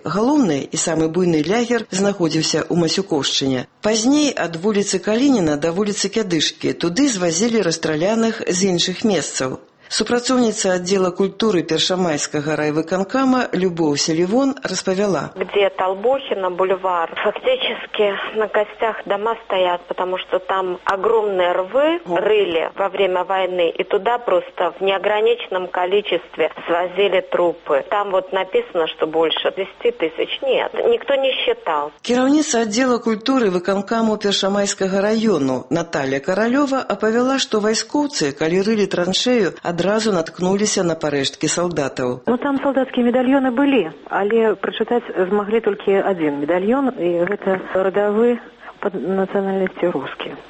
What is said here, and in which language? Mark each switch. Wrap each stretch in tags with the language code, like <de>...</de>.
<be>Галоўны і самы буйны лягер знаходзіўся ў Масюкоўшчыне. Пазней ад вуліцы Калініна да вуліцы Кядышкі, туды звазілі расстраляных з іншых месцаў. Супрацоўніца аддзела культуры першамайскага райвыканкама Любоў Селівон распавяла.</be> <ru>Где Толбохина, бульвар, фактически на костях дома стоят, потому что там огромные рвы рыли во время войны, и туда просто в неограниченном количестве свозили трупы. Там вот написано, что больше 10 тысяч. Нет, никто не считал.</ru> <be>Кіраўніца аддзела культуры выканкаму першамайскага району Наталья Каралёва апавяла, што вайскоўцы, калі рылі траншею, ад разу наткнуліся на парэшткі салдатаў. Ну, там салдацкія медальёны былі, але прачытаць змаглі толькі адзін медальён, і гэта радавы пад нацыянальнасці рускі.</be>